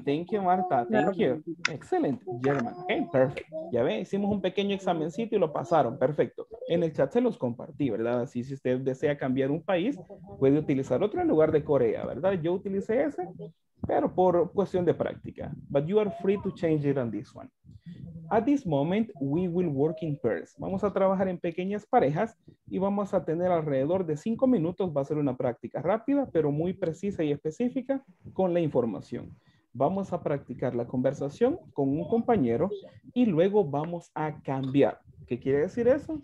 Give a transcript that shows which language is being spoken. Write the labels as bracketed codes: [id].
[en] thank you, Marta, thank you. Excelente, German, ok, perfecto. [es] Ya ve, hicimos un pequeño examencito y lo pasaron, perfecto. En el chat se los compartí, ¿verdad? Así si usted desea cambiar un país, puede utilizar otro en lugar de Corea, ¿verdad? Yo utilicé ese, pero por cuestión de práctica. [en] But you are free to change it on this one. At this moment, we will work in pairs. [es] Vamos a trabajar en pequeñas parejas y vamos a tener alrededor de 5 minutos. Va a ser una práctica rápida, pero muy precisa y específica con la información. Vamos a practicar la conversación con un compañero y luego vamos a cambiar. ¿Qué quiere decir eso?